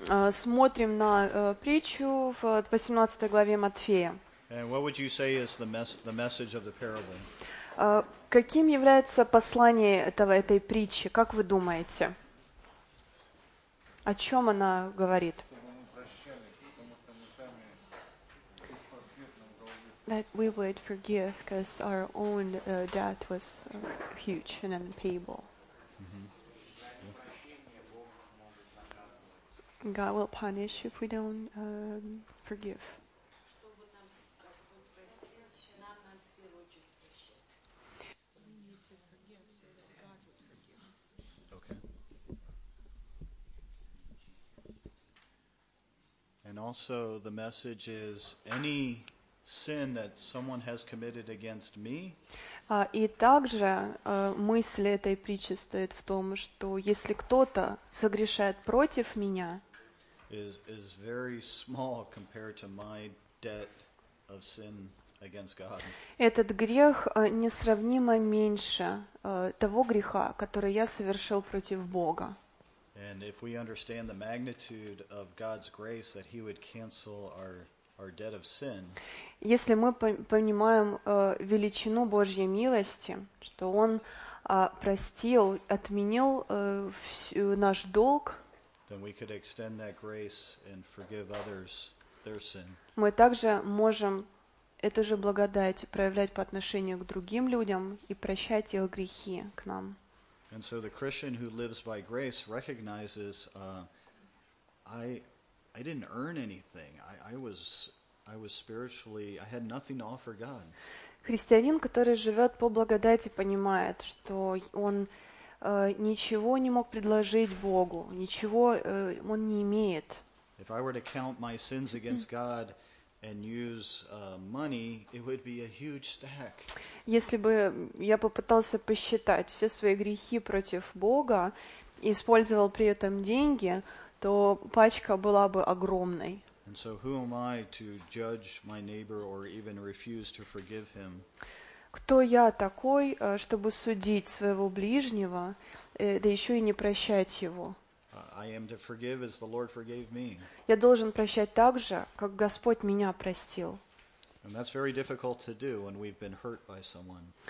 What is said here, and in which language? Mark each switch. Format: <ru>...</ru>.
<ru>Смотрим на притчу в 18 главе Матфея.</ru> <en>And what would you say is the message of the parable?</en> <ru>Каким является послание этой притчи? Как вы думаете? О чем она говорит?</ru> <en>That we would forgive because our own debt was huge and unpayable. God will punish if we don't forgive. And also the message is any sin that someone has committed against me.</en> <ru>И также мысль этой притчи стоит в том, что если кто-то согрешает против меня,</ru> <en>is very small compared to my debt of sin against God.</en> <ru>Этот грех несравнимо меньше того греха, который я совершил против Бога.</ru> <en>And if we understand the magnitude of God's grace that he would cancel our debt of sin.</en> <ru>Если мы понимаем величину Божьей милости, что он простил, отменил всю наш долг,</ru> <en>then we could extend that grace and forgive others their sin.</en> <ru>Мы также можем эту же благодать проявлять по отношению к другим людям и прощать их грехи к нам.</ru> <en>And so the Christian who lives by grace recognizes I didn't earn anything. I was spiritually, I had nothing to offer God.</en> <ru>Христианин, который живёт по благодати, понимает, что он ничего не мог предложить Богу, ничего он не имеет.</ru> <en>If I were to count my sins against God and use money, it would be a huge stack.</en> <ru>Если бы я попытался посчитать все свои грехи против Бога и использовал при этом деньги, то пачка была бы огромной.</ru> <en>And so who am I to judge my neighbor or even refuse to forgive him?</en> <ru>Кто я такой, чтобы судить своего ближнего, да еще и не прощать его?</ru> <en>I am to forgive as the Lord forgave me.</en> <ru>Я должен прощать так же, как Господь меня простил.</ru> <en>And that's very difficult to do when we've been hurt by someone.</en>